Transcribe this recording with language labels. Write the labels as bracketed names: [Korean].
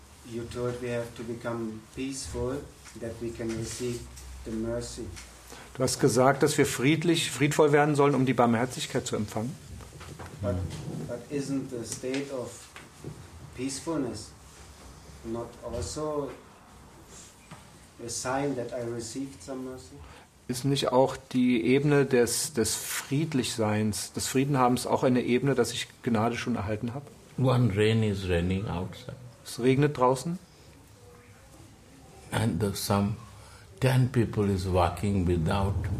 [English] You told we have to become peaceful that we can receive the mercy. [German] Du hast gesagt, dass wir friedvoll werden sollen, um die Barmherzigkeit zu empfangen. [English] But isn't the state of peacefulness not also a sign that I received some mercy? [German] Ist nicht auch die Ebene des Friedlichseins, des Friedenhabens auch eine Ebene, dass ich Gnade schon erhalten habe? [English] One rain is raining outside. [German] Es regnet draußen. [English] And some 10 people is walking without.